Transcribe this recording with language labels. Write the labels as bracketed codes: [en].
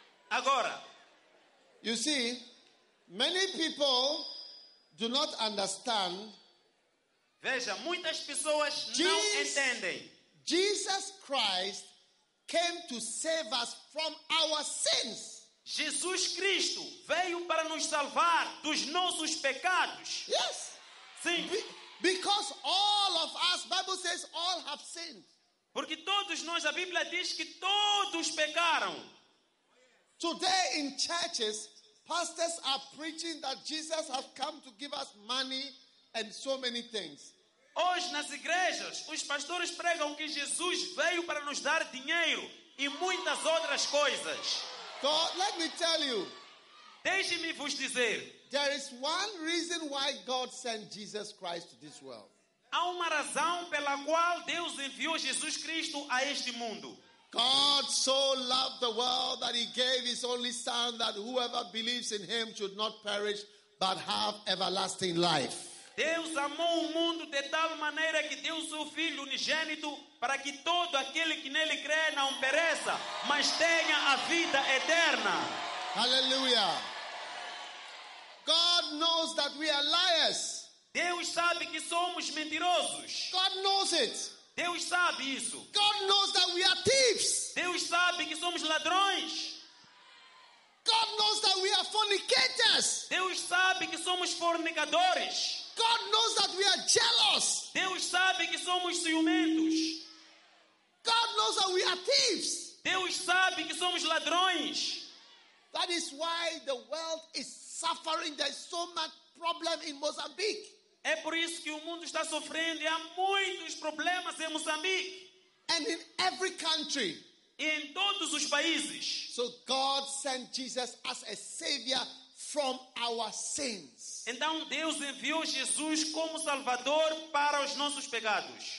[pt] agora, [en] you see, many people do not understand. [pt] Veja, muitas pessoas não entendem. [en] Jesus Christ came to save us from our sins. [pt] Jesus Cristo veio para nos salvar dos nossos pecados. [en] Yes. [pt] Sim. [en] Because all of us, Bible says, all have sinned. [pt] Porque todos nós, a Bíblia diz que todos pecaram. [en] Today in churches, pastors are preaching that Jesus has come to give us money and so many things. [pt] Hoje nas igrejas, os pastores pregam que Jesus veio para nos dar dinheiro e muitas outras coisas. [en] So, let me tell you. [pt] Deixe-me vos dizer. [en] There is one reason why God sent Jesus Christ to this world. [pt] Há uma razão pela qual Deus enviou Jesus Cristo a este mundo. [en] God so loved the world that he gave his only son that whoever believes in him should not perish but have everlasting life. [pt] Deus amou o mundo de tal maneira que deu seu filho unigênito para que todo aquele que nele crê não pereça, mas tenha a vida eterna. [en] Hallelujah. God knows that we are liars. [pt] Deus sabe que somos mentirosos. [en] God knows it. [pt] Deus sabe isso. [en] God knows that we are thieves. [pt] Deus sabe que somos ladrões. [en] God knows that we are fornicators. [pt] Deus sabe que somos fornicadores. [en] God knows that we are jealous. [pt] Deus sabe que somos ciumentos. [en] God knows that we are thieves. [pt] Deus sabe que somos ladrões. [en] That is why the world is suffering. There's so much problem in Mozambique. [pt] É por isso que o mundo está sofrendo e há muitos problemas em Moçambique. [en] And in every country. [pt] Em todos os países. [en] So God sent Jesus as a savior from our sins. [pt] Então Deus enviou Jesus como salvador para os nossos pecados.